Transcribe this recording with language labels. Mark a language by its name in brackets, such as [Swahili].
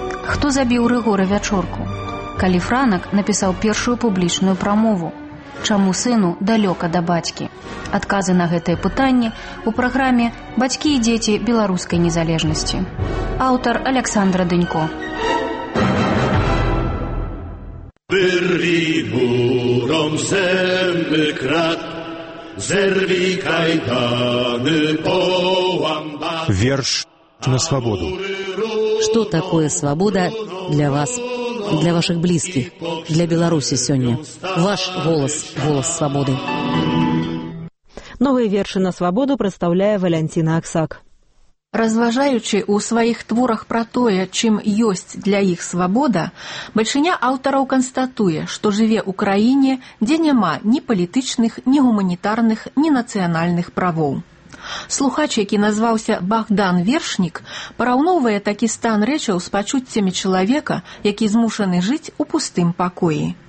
[Belarusian] Хто забіў Рыгора Вячорку? Калі Франак напісаў першую публічную прамову? Чаму сыну далёка да бацькі? Адказы на гэтае пытанне ў праграме «Бацькі і дзеці беларускай незалежнасці». Аўтар Александра Дынько. Бирві буром земли крат, зерві кайдани по амбат. Верш на свободу. [Russian] Что такое свобода для вас, для ваших близких, для Беларуси сегодня? Ваш голос, голос свободы. Новые верши на свободу представляет Валянціна Аксак. [Belarusian] Разважаючы ў сваіх творах пра тое, чым ёсць для іх свабода, бальшыня аўтараў канстатуе, што жыве ў краіне, дзе няма ні палітычных, ні гуманітарных, ні нацыянальных правоў. Слухач, які назваўся Багдан Вершнік, параўноўвае такі стан рэчаў з пачуццямі чалавека, які змушаны жыць у пустым пакоі.